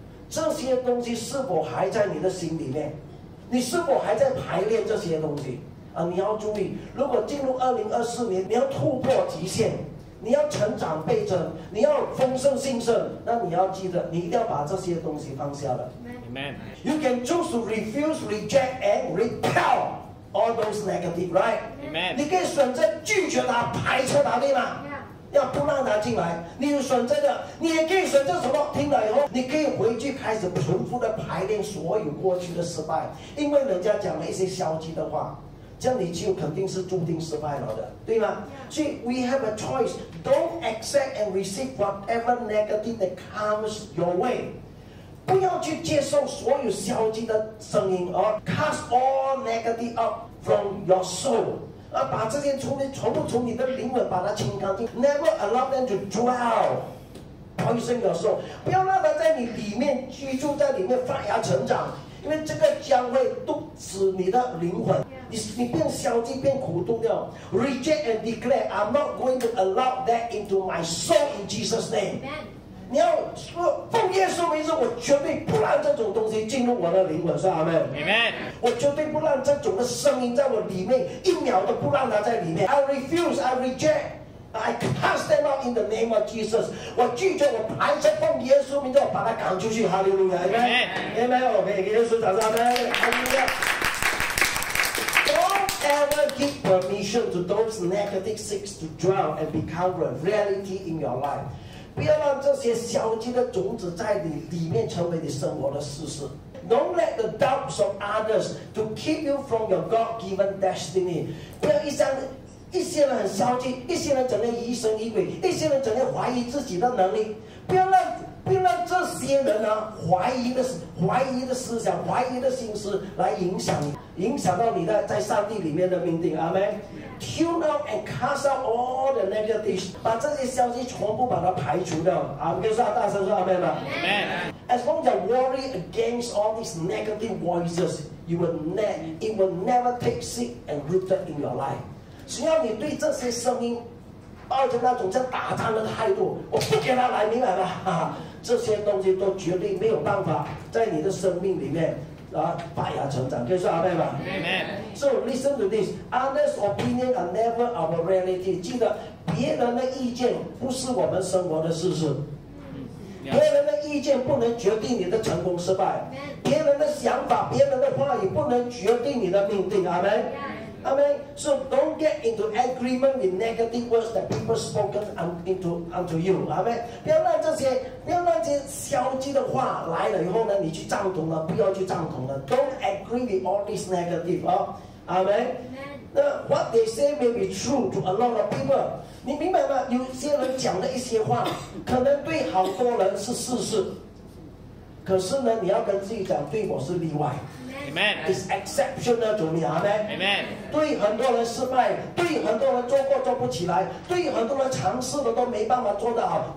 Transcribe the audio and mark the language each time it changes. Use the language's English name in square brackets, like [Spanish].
[Chinese] 这些东西是否还在你的心里面？你是否还在排练这些东西啊？你要注意，如果进入2024年，你要突破极限，你要成长倍增，你要丰盛兴盛，那你要记得，你一定要把这些东西放下了。 [English] Amen. You can choose to refuse, reject, and repel all those negative, right? Amen. [Chinese] 你可以选择拒绝它，排斥它，对吗？ [English] Yeah. [Chinese] 要不让它进来，你有选择的。你也可以选择什么？听了以后，你可以回去开始重复的排练所有过去的失败，因为人家讲了一些消极的话，这样你就肯定是注定失败了的，对吗？ [English] Yeah. [Chinese] 所以 [English] we have a choice. Don't accept and receive whatever negative that comes your way. [Chinese] 不要去接受所有消极的声音，而 [English] cast all negative out from your soul. [Chinese] 而把这些从你的灵魂把它清干净。 [English] Never allow them to dwell, poison your soul. [Chinese] 不要让它在你里面居住，在里面发芽成长，因为这个将会毒死你的灵魂。你变消极变苦毒了。 [English] Reject and declare, I'm not going to allow that into my soul in Jesus' name. Amen. [Chinese] 你要说奉耶稣名字，我绝对不让这种东西进入我的灵魂，是阿们。 [English] Amen. [Chinese] 我绝对不让这种的声音在我里面，一秒都不让它在里面。 [English] I refuse, I rejectI cast them out in the name of Jesus. [Chinese] 我拒绝，我排斥，奉耶稣名字，我把他赶出去。哈利路亚，阿门，阿门。我们给耶稣掌声，阿门，哈利路亚。 [English] Don't ever give permission to those negative things to drown and become a reality in your life. [Chinese] 不要让这些消极的种子在你里面成为你生活的事实。 [English] Don't let the doubts of others to keep you from your God-given destiny. [Chinese] 不要一些人很消极，一些人整天疑神疑鬼，一些人整天怀疑自己的能力。不要让这些人啊，怀疑的思想，怀疑的心思来影响你，影响到你的在上帝里面的命定。阿门。 [English] Tune out and cast out all the negatives， [Chinese] 把这些消息全部把它排除掉。阿门。跟说大声说阿门吧。 [English] Amen. As long as you worry against all these negative voices, it will never take seat and rooted in your life. [Chinese] 只要你对这些声音抱着那种像打仗的态度，我不给他来，明白吧、啊、这些东西都绝对没有办法在你的生命里面啊发芽成长，可以说阿妹吧。 [English] So listen to this, others' opinions are never our reality. [Chinese] 记得别人的意见不是我们生活的事实，别人的意见不能决定你的成功失败，别人的想法、别人的话语不能决定你的命定。阿妹。Amen. [English] So don't get into agreement with negative words that people spoken unto you. Amen. [Chinese] 不要让这些，消极的话来了以后呢，你去赞同了，不要去赞同了。 [English] Don't agree with all these negative. Amen. Amen. What they say may be true to a lot of people. [Chinese] 你明白吗？有些人讲的一些话，可能对好多人是事实。可是呢，你要跟自己讲，对我是例外。 [English] Amen. It's exceptional to me. Amen. Amen. [Chinese] 对很多人失败，对很多人做过做不起来，对很多人尝试的都没办法做得好。